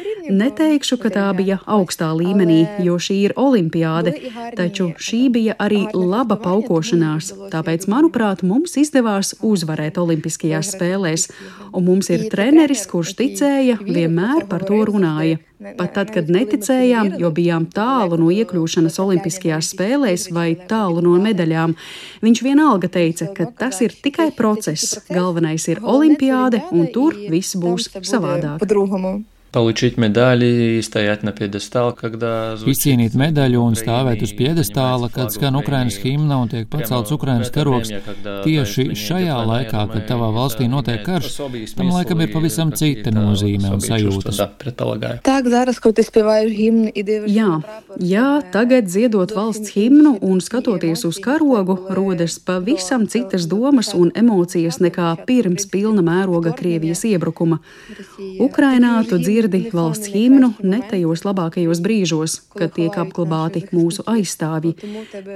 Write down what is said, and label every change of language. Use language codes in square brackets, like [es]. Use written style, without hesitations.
[lv] Neteikšu, ka tā bija augstā līmenī, jo šī ir olimpiāde, taču šī bija arī laba paukošanās, tāpēc, manuprāt, mums izdevās uzvarēt olimpiskajās spēlēs, un mums ir treneris, kurš ticēja, vienmēr par to runāja. Pat tad, kad neticējām, jo bijām tālu no iekļūšanas olimpiskajās spēlēs vai tālu no medaļām, viņš vienalga teica, ka tas ir tikai process, galvenais ir olimpiāde, un tur viss būs savādāk. [ru] Получить медаль и стоять на пьедестале, когда [lv] Izcīnīt medaļu un stāvēt uz pjedestāla, kad skan Ukrainas himna un tiek pacelts Ukrainas karogs. Tieši šajā laikā, kad tavā valstī notiek karš, tam laikam ir pavisam cita nozīme un sajūta. [uk] Так, зараз, коли ти співаєш гімн і дивишся [lv] Jā, tagad dziedot valsts himnu un skatoties uz karogu, rodas pavisam citas domas un emocijas nekā pirms pilna mēroga Krievijas iebrukuma. Ukrainā tu dzirdi valsts himnu ne tajos labākajos brīžos, kad tiek apglabāti mūsu aizstāvji.